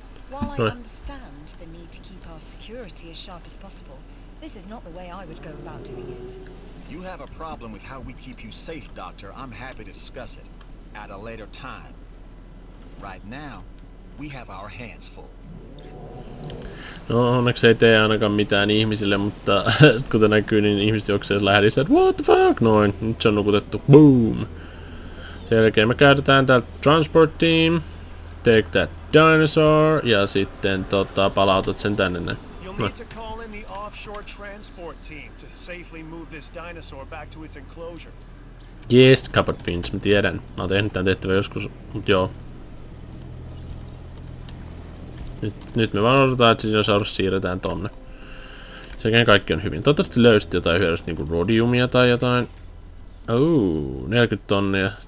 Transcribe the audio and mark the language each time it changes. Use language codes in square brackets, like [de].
[en] While I understand the need to keep our security as sharp as possible, this is not the way I would go about doing it. You have a problem with how we keep you safe, Doctor. I'm happy to discuss it at a later time. Right now, we have our hands full. [fi] No, onneksi ei tee ainakaan mitään ihmisille, mutta kuten näkyy, niin ihmiset jokseen lähdistä, että [en] what the fuck, [fi] noin. Nyt se on nukutettu. Boom. Sen jälkeen me käytetään täältä transport team. [en] Take that dinosaur, [fi] ja sitten palautat sen tänne näin. [en] You'll need to call in the offshore transport team to safely move this dinosaur back to its enclosure. [fi] Yes, Cupboard Finch, mä tiedän. Mä oon tehnyt tän tehtävän joskus, mut joo. Nyt me vaan odotetaan, että dinosaurus siirretään tonne. Sekään kaikki on hyvin. Toivottavasti löysit jotain hyödyllistä, niinku rodiumia tai jotain. Ooh, 40 000.